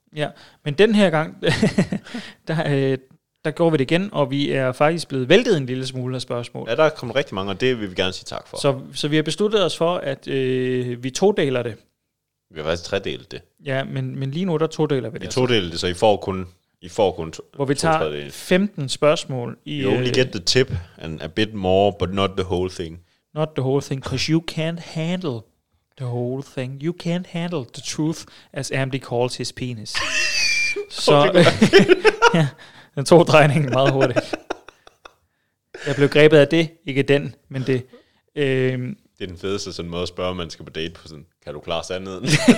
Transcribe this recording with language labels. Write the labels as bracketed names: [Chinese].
[Danish] Ja, men den her gang, der gjorde vi det igen, og vi er faktisk blevet væltet en lille smule af spørgsmål. Ja, der er kommet rigtig mange, og det vil vi gerne sige tak for. Så vi har besluttet os for, at vi todeler det. Vi har faktisk tredelt det. Ja, men lige nu, der todeler vi det. Vi todeler det, så I får kun to. Hvor vi tager 15 spørgsmål. [English] You only get the tip and a bit more, but not the whole thing. Not the whole thing, because you can't handle the whole thing. You can't handle the truth, as Amdi calls his penis. [Danish] Så ja, den tog drejningen meget hurtigt. Jeg blev grebet af det, ikke den, men det. Det er den fedeste sådan måde at spørge, om man skal på date på sådan, kan du klare sandheden?